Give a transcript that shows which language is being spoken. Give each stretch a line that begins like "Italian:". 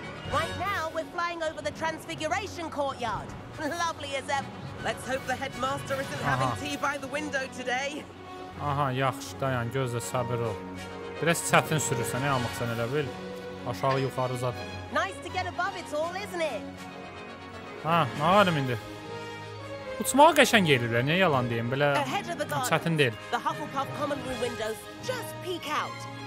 English: Right now we're flying over the Transfiguration courtyard. Lovely as ever. Let's hope the headmaster isn't having tea by the window today.
Azerbaijani: Aha, yaxşı, dayan, gözlə, səbir ol. Biraz çətin sürürsən, nə almaqsan elə bil. Aşağı yuxarı zad.
English: Nice to get above it all, isn't it?
Azerbaijani: Ha, nə varım indi? Uçmağa qəşəng gəlir, niyə yalan deyim? Belə çətin deyil.
English: The Hufflepuff common room windows just peek out.